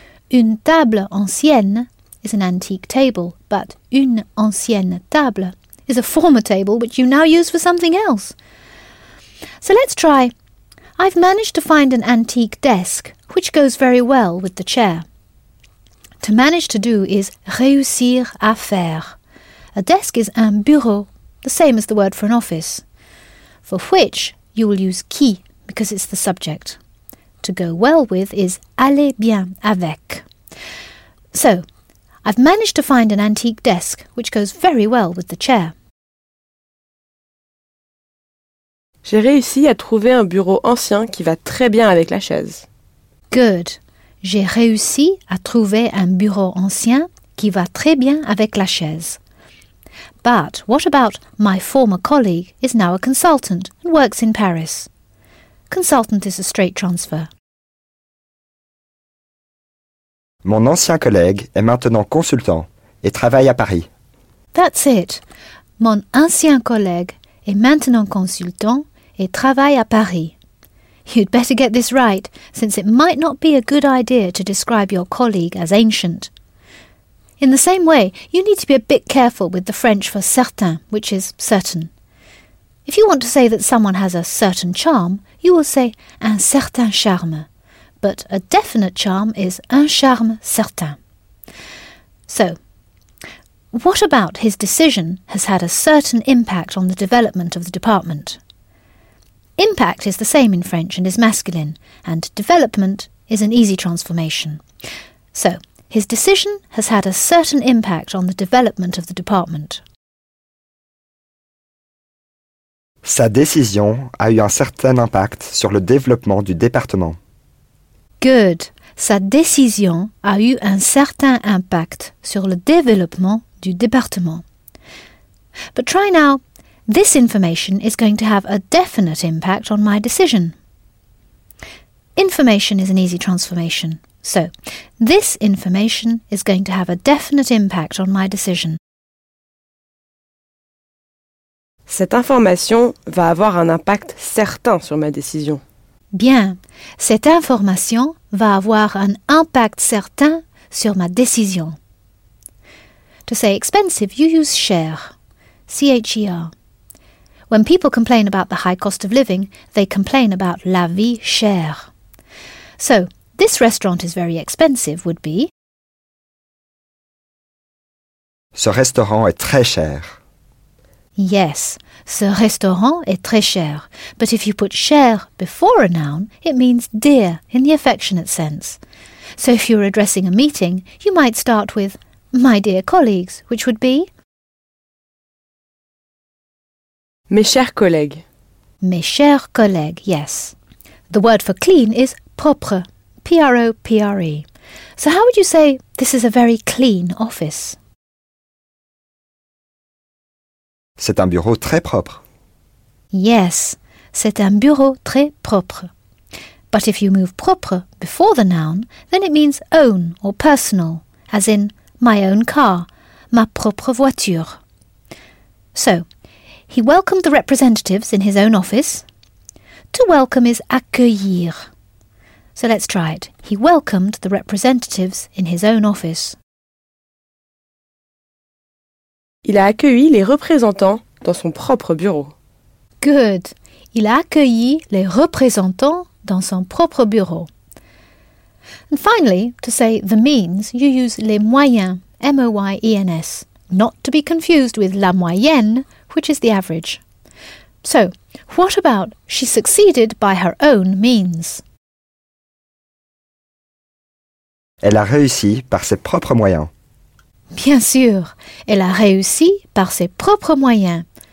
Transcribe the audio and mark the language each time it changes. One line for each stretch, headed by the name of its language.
French: Une table ancienne
English: is an antique table, but
French: une ancienne table
English: is a former table which you now use for something else. So let's try. I've managed to find an antique desk, which goes very well with the chair. To manage to do is
French: réussir à faire.
English: A desk is
French: un bureau,
English: the same as the word for an office, for which you will use qui, because it's the subject. To go well with is
French: aller bien avec.
English: So, I've managed to find an antique desk, which goes very well with the chair.
French: J'ai réussi à trouver un bureau ancien qui va très bien avec la chaise.
English: Good.
French: J'ai réussi à trouver un bureau ancien qui va très bien avec la chaise.
English: But what about my former colleague is now a consultant and works in Paris? Consultant is a straight transfer.
French: Mon ancien collègue est maintenant consultant et travaille à Paris.
English: That's it.
French: Mon ancien collègue est maintenant consultant et travaille à Paris.
English: You'd better get this right, since it might not be a good idea to describe your colleague as ancient. In the same way, you need to be a bit careful with the French for certain, which is certain. If you want to say that someone has a certain charm, you will say
French: un certain charme.
English: But a definite charm is
French: un charme certain.
English: So, what about his decision has had a certain impact on the development of the department? Impact is the same in French and is masculine, and development is an easy transformation. So, his decision has had a certain impact on the development of the department.
French: Sa décision a eu un certain impact sur le développement du département.
English: Good.
French: Sa décision a eu un certain impact sur le développement du département.
English: But try now. This information is going to have a definite impact on my decision. Information is an easy transformation. So, this information is going to have a definite impact on my decision.
French: Cette information va avoir un impact certain sur ma décision. Bien. Cette information va avoir un impact certain sur ma décision.
English: To say expensive, you use cher. C-H-E-R. When people complain about the high cost of living, they complain about
French: la vie chère.
English: So, this restaurant is very expensive would be...
French: Ce restaurant est très cher.
English: Yes,
French: ce restaurant est très cher.
English: But if you put cher before a noun, it means dear in the affectionate sense. So if you were addressing a meeting, you might start with my dear colleagues, which would be...
French: Mes chers collègues. Mes chers collègues,
English: yes. The word for clean is propre, P-R-O-P-R-E. So how would you say this is a very clean office?
French: C'est un bureau très propre.
English: Yes,
French: c'est un bureau très propre.
English: But if you move propre before the noun, then it means own or personal, as in my own car,
French: ma propre voiture.
English: So, he welcomed the representatives in his own office. To welcome is accueillir. So let's try it. He welcomed the representatives in his own office.
French: Il a accueilli les représentants dans son propre bureau.
English: Good.
French: Il a accueilli les représentants dans son propre bureau.
English: And finally, to say the means, you use
French: les moyens,
English: M-O-Y-E-N-S. Not to be confused with
French: la moyenne,
English: which is the average. So, what about she succeeded by her own means?
French: Elle a réussi par ses propres moyens. Bien sûr, elle a réussi par ses propres moyens.